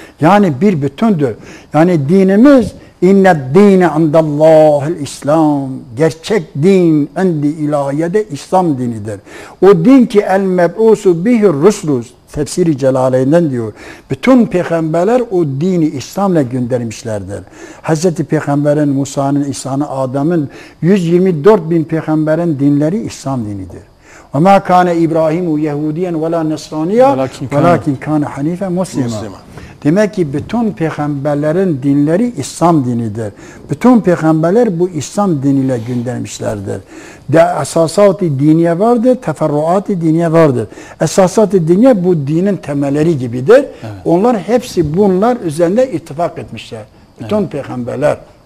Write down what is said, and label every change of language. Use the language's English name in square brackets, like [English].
[Turkish] Yani bir bütündür. Yani dinimiz [Arabic] اِنَّ الدِّينَ عَنْدَ اللّٰهِ الْاِسْلَامِ [Turkish] Gerçek din endi ilahiyede İslam dinidir. O din ki el-meb'usu bihi ruslus tefsiri celaleyinden diyor. Bütün peygamberler o dini İslam'la göndermişlerdir. Hazreti Peygamber'in, Musa'nın, İsa'nın, Adam'ın 124 bin peygamberin dinleri İslam dinidir. [Arabic] وَمَا كَانَ اِبْرَاهِيمُ يَهُودِيًا وَلَا نَصْرَانِيَا وَلَاكِنْ كَانَ حَنِيفًا مُسْلِمًا [Turkish] Demek ki bütün peygamberlerin dinleri İslam dinidir. Bütün peygamberler bu İslam diniyle göndermişlerdir. Esasat-ı diniye vardır, teferruat-ı diniye vardır. Esasat-ı diniye bu dinin temelleri gibidir. Evet. Onlar hepsi bunlar üzerinde ittifak etmişler. Bütün evet. peygamberler.